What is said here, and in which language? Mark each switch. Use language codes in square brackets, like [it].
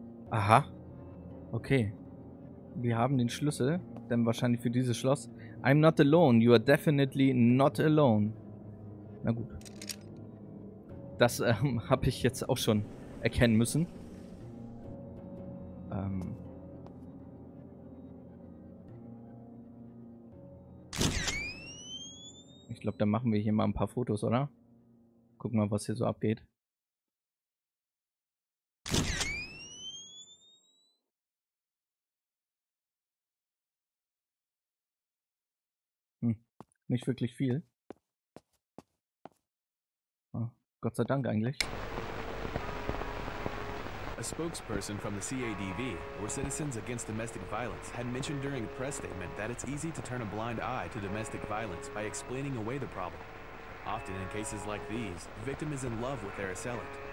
[de] Aha. Okay. Wir haben den Schlüssel, denn wahrscheinlich für dieses Schloss. [en] I'm not alone. You are definitely not alone. [de] Na gut. Das habe ich jetzt auch schon erkennen müssen. Ich glaube, dann machen wir hier mal ein paar Fotos, oder? Guck mal, was hier so abgeht. Nicht wirklich viel. Oh, Gott sei Dank eigentlich. [en] A spokesperson from the CADV, or Citizens Against Domestic Violence, had mentioned during a press statement that it's easy to turn a blind eye to domestic violence by explaining away the problem. Often in cases like these, the victim is in love with their assailant.